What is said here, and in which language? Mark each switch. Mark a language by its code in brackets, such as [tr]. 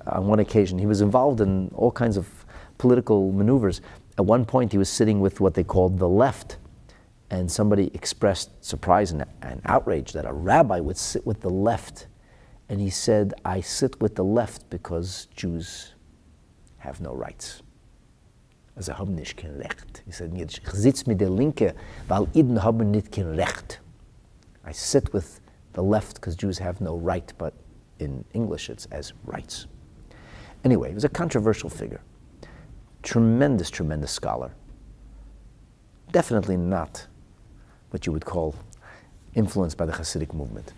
[en] On one occasion, he was involved in all kinds of political maneuvers. At one point, he was sitting with what they called the left, and somebody expressed surprise and outrage that a rabbi would sit with the left. And he said, "I sit with the left because Jews have no rights." [de] Also haben nicht kein Recht. [en] He said, [de] "Ich sitze mit der Linke, weil Juden haben nicht kein Recht." [en] I sit with the left because Jews have no right, but in English it's as rights. Anyway, he was a controversial figure. Tremendous, tremendous scholar. Definitely not what you would call influenced by the Hasidic movement.